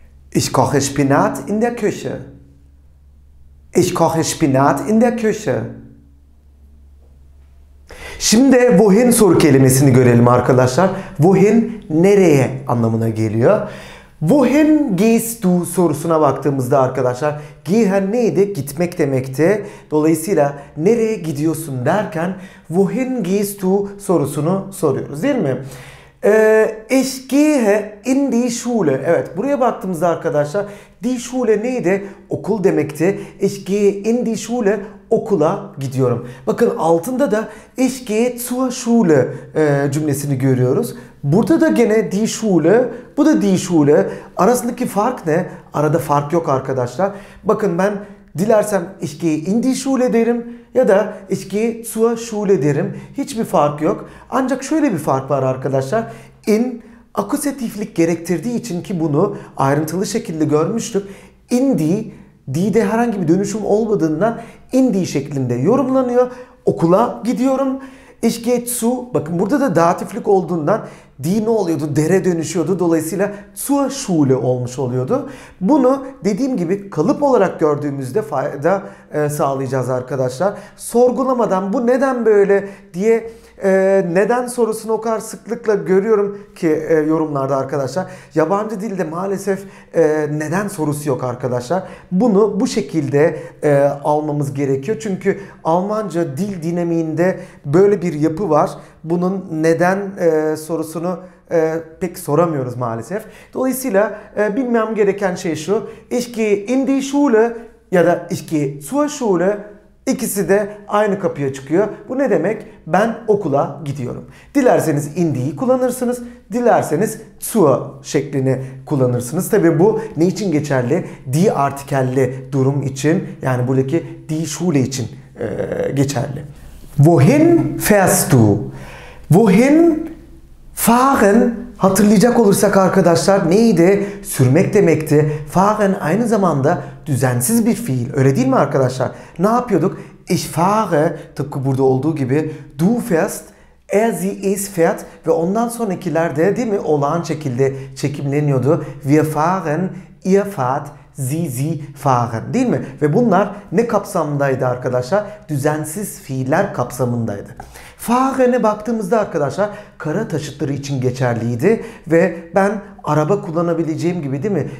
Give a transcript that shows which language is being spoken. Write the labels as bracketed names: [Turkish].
[German] Ich koche Spinat in der Küche. Ich koche Spinat in der Küche. [Turkish] Şimdi wohin soru kelimesini görelim arkadaşlar. Wohin nereye anlamına geliyor. [German] Wohin gehst du [Turkish] sorusuna baktığımızda arkadaşlar. Gehen neydi? Gitmek demekti. Dolayısıyla nereye gidiyorsun derken [German] wohin gehst du [Turkish] sorusunu soruyoruz değil mi? [German] Ich gehe in die Schule. [Turkish] Evet, buraya baktığımızda arkadaşlar die Schule neydi? Okul demekti. [German] Ich gehe in die Schule. [Turkish] Okula gidiyorum. Bakın altında da [German] ich gehe zur Schule [Turkish] cümlesini görüyoruz. Burada da gene die Schule, bu da die Schule. Arasındaki fark ne? Arada fark yok arkadaşlar. Bakın ben dilersem [German] ich gehe in die Schule [Turkish] derim. Ya da [German] ich gehe zur Schule [Turkish] derim. Hiçbir fark yok. Ancak şöyle bir fark var arkadaşlar. In akusatiflik gerektirdiği için ki bunu ayrıntılı şekilde görmüştük. In die'de herhangi bir dönüşüm olmadığından in die şeklinde yorumlanıyor. Okula gidiyorum. [German] Ich gehe zu. [Turkish] Bakın burada da datiflik olduğundan die ne oluyordu? Dere dönüşüyordu. Dolayısıyla zur Schule olmuş oluyordu. Bunu dediğim gibi kalıp olarak gördüğümüzde fayda sağlayacağız arkadaşlar. Sorgulamadan bu neden böyle diye neden sorusunu o kadar sıklıkla görüyorum ki yorumlarda arkadaşlar. Yabancı dilde maalesef neden sorusu yok arkadaşlar. Bunu bu şekilde almamız gerekiyor. Çünkü Almanca dil dinamiğinde böyle bir yapı var. Bunun neden sorusunu pek soramıyoruz maalesef. Dolayısıyla bilmem gereken şey şu. [German] Ich gehe in die Schule [Turkish] ya da [German] ich gehe zur Schule. [Turkish] İkisi de aynı kapıya çıkıyor. Bu ne demek? Ben okula gidiyorum. Dilerseniz indiği kullanırsınız. Dilerseniz zu şeklini kullanırsınız. Tabii bu ne için geçerli? Die artikelli durum için. Yani buradaki die Schule için geçerli. [German] Wohin fährst du? Wohin fahren? [Turkish] Hatırlayacak olursak arkadaşlar neydi? Sürmek demekti. Fahren aynı zamanda düzensiz bir fiil. Öyle değil mi arkadaşlar? Ne yapıyorduk? [German] Ich fahre, [Turkish] tıpkı burada olduğu gibi. [German] Du fährst, er, sie, es fährt. [Turkish] Ve ondan sonrakiler de değil mi? Olağan şekilde çekimleniyordu. [German] Wir fahren, ihr fahrt, sie fahren, [Turkish] değil mi? Ve bunlar ne kapsamdaydı arkadaşlar? Düzensiz fiiller kapsamındaydı. Fahren'e baktığımızda arkadaşlar kara taşıtları için geçerliydi ve ben araba kullanabileceğim gibi, değil mi?